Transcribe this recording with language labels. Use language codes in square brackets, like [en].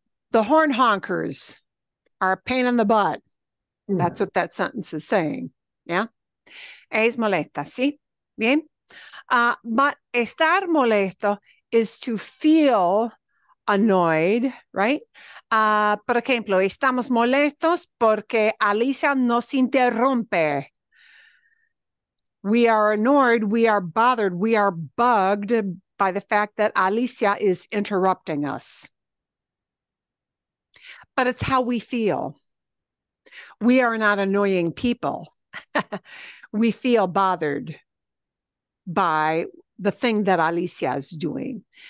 [en] The horn honkers are a pain in the butt. That's what that sentence is saying. Yeah. [es] Es molesta, sí. Bien. [en] But [es] estar molesto [en] is to feel annoyed, right? [es] Por ejemplo, estamos molestos porque Alicia nos interrumpe. [en] We are annoyed, we are bothered, we are bugged by the fact that Alicia is interrupting us. But it's how we feel. We are not annoying people. We feel bothered by the thing that Alicia is doing.